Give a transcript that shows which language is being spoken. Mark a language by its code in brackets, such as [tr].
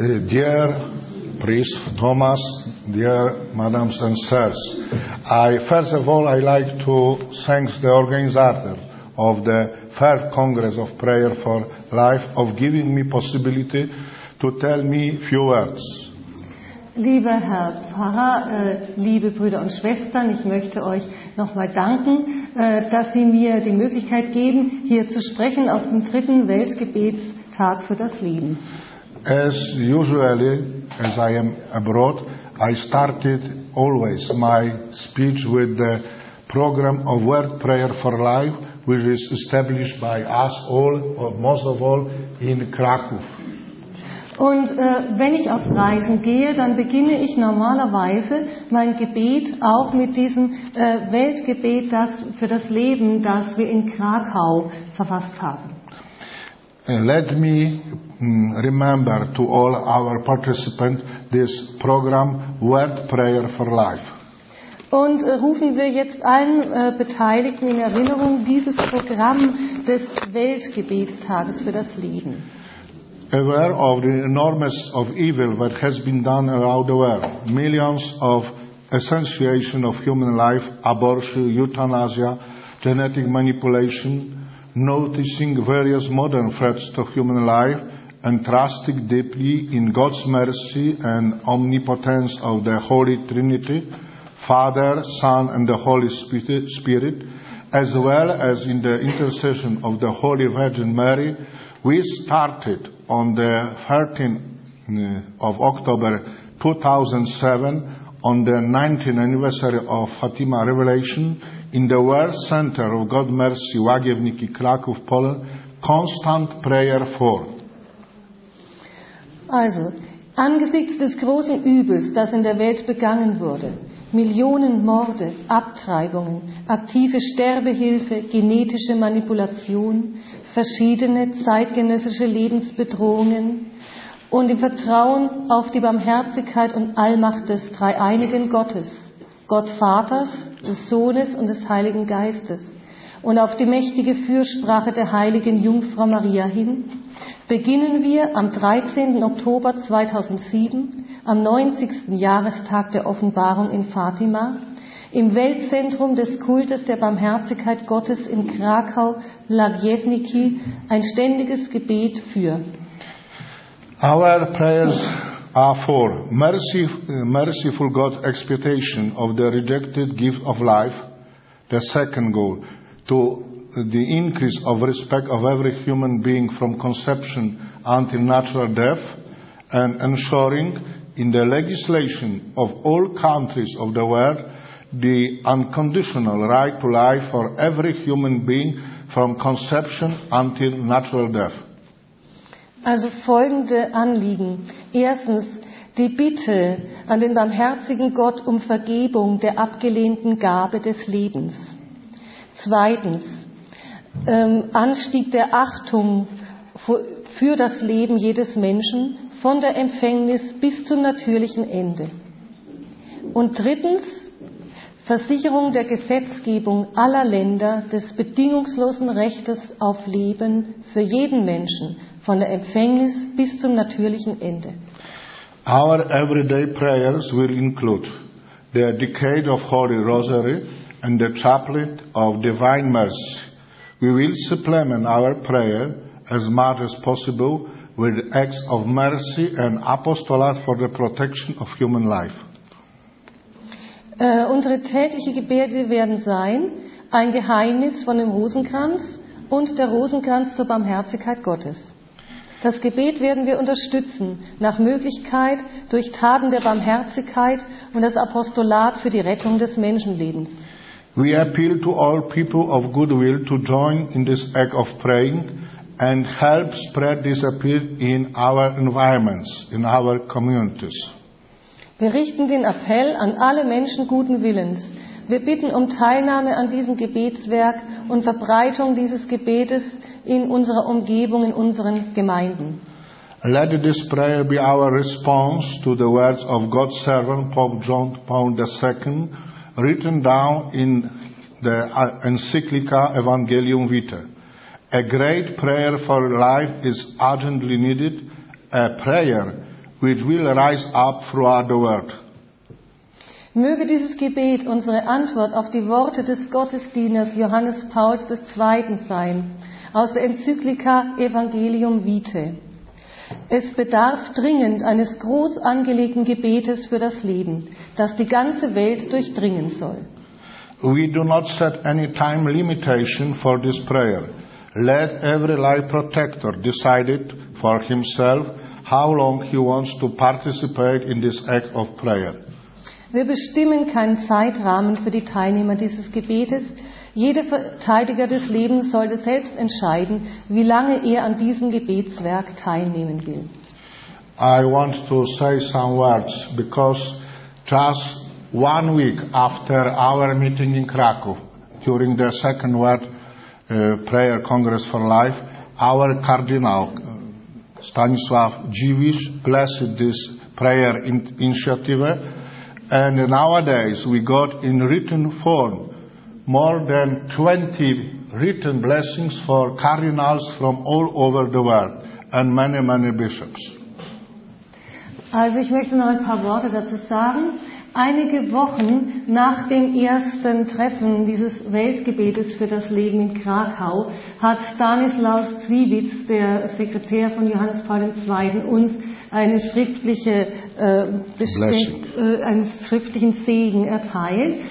[en] Dear Priest Thomas, dear Madams and Sirs, I like to thank the organizer of the Third Congress of Prayer for Life of giving me possibility to tell me few words. [de] Lieber Herr Pfarrer, liebe Brüder und Schwestern, ich möchte euch nochmal danken, dass Sie mir die Möglichkeit geben, hier zu sprechen auf dem dritten Weltgebetstag für das Leben. [en] As usually, as I am abroad, I started always my speech with the program of World Prayer for Life, which is established by us all, or most of all, in Krakow. [de] Und wenn ich auf Reisen gehe, dann beginne ich normalerweise mein Gebet auch mit diesem Weltgebet, das für das Leben, das wir in Krakau verfasst haben. [en] Let me remember to all our participants this program, World Prayer for Life. [de] Und rufen wir jetzt allen Beteiligten in Erinnerung dieses Programm des Weltgebetstages für das Leben. [en] Aware of the enormous of evil that has been done around the world, millions of association of human life, abortion, euthanasia, genetic manipulation, noticing various modern threats to human life, and trusting deeply in God's mercy and omnipotence of the Holy Trinity, Father, Son, and the Holy Spirit, as well as in the intercession of the Holy Virgin Mary, we started on the 13th of October 2007, on the 19th anniversary of Fatima Revelation, in the World Center of God Mercy, Wagiewniki, Krakow, Poland, constant prayer for. [de] Also, angesichts des großen Übels, das in der Welt begangen wurde, Millionen Morde, Abtreibungen, aktive Sterbehilfe, genetische Manipulation, verschiedene zeitgenössische Lebensbedrohungen und im Vertrauen auf die Barmherzigkeit und Allmacht des dreieinigen Gottes, Gott Vaters, des Sohnes und des Heiligen Geistes und auf die mächtige Fürsprache der heiligen Jungfrau Maria hin, beginnen wir am 13. Oktober 2007, am 90. Jahrestag der Offenbarung in Fatima, im Weltzentrum des Kultes der Barmherzigkeit Gottes in Krakau, Lagiewniki, ein ständiges Gebet für. [en] Our prayers are for merciful God expiation of the rejected gift of life, the second goal, to the increase of respect of every human being from conception until natural death, and ensuring in the legislation of all countries of the world the unconditional right to life for every human being from conception until natural death. [de] Also folgende Anliegen. Erstens, die Bitte an den barmherzigen Gott um Vergebung der abgelehnten Gabe des Lebens. Zweitens, Anstieg der Achtung für das Leben jedes Menschen von der Empfängnis bis zum natürlichen Ende. Und drittens, Versicherung der Gesetzgebung aller Länder des bedingungslosen Rechtes auf Leben für jeden Menschen von der Empfängnis bis zum natürlichen Ende. [en] Our everyday prayers will include the decade of Holy Rosary and the chaplet of Divine Mercy. We will supplement our prayer as much as possible with acts of mercy and apostolate for the protection of human life. [de] Unsere tägliche Gebete werden sein ein Geheimnis von dem Rosenkranz und der Rosenkranz zur Barmherzigkeit Gottes. Das Gebet werden wir unterstützen, nach Möglichkeit durch Taten der Barmherzigkeit und das Apostolat für die Rettung des Menschenlebens. [en] We appeal to all people of goodwill to join in this act of praying and help spread this appeal in our environments, in our communities. [de] Wir richten den Appell an alle Menschen guten Willens. Wir bitten um Teilnahme an diesem Gebetswerk und Verbreitung dieses Gebetes in unserer Umgebung, in unseren Gemeinden. [en] Let this prayer be our response to the words of God's servant, Pope John Paul II, written down in the encyclica Evangelium Vitae. A great prayer for life is urgently needed, a prayer which will rise up throughout the world. [de] Möge dieses Gebet unsere Antwort auf die Worte des Gottesdieners Johannes Pauls II. Sein, aus der Enzyklika Evangelium Vitae. Es bedarf dringend eines groß angelegten Gebetes für das Leben, das die ganze Welt durchdringen soll. [en] We do not set any time limitation for this prayer. Let every life protector decide it for himself how long he wants to participate in this act of prayer. [de] Wir bestimmen keinen Zeitrahmen für die Teilnehmer dieses Gebetes. Jeder Verteidiger des Lebens sollte selbst entscheiden, wie lange er an diesem Gebetswerk teilnehmen will. [en] I want to say some words because just 1 week after our meeting in Krakow, during the second World Prayer Congress for Life, our Cardinal Stanislav Dziwisz blessed this prayer initiative. And nowadays we got in written form more than 20 written blessings for cardinals from all over the world and many, many bishops. [de] Also ich möchte noch ein paar Worte dazu sagen. Einige Wochen nach dem ersten Treffen dieses Weltgebetes für das Leben in Krakau hat Stanislaus Dziwisz, der Sekretär von Johannes Paul II., uns einen schriftlichen Segen erteilt.